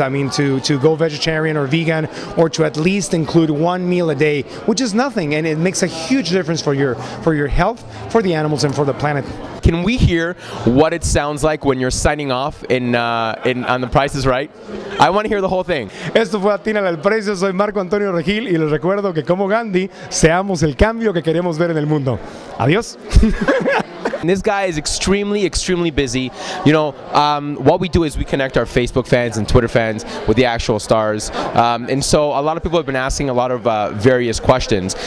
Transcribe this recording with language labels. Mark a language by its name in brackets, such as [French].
[English] I mean, to go vegetarian or vegan, or to at least include one meal a day, which is nothing. and it makes a huge difference for your health, for the animals, and for the planet. Can we hear what it sounds like when you're signing off in on The Price is Right? I want to hear the whole thing. [Spanish] Esto fue Atina al Precio. Soy Marco Antonio Regil y les recuerdo que como Gandhi, seamos el cambio que queremos ver en el mundo. Adiós. [English] And this guy is extremely, extremely busy. You know, what we do is we connect our Facebook fans and Twitter fans with the actual stars. And so a lot of people have been asking a lot of various questions.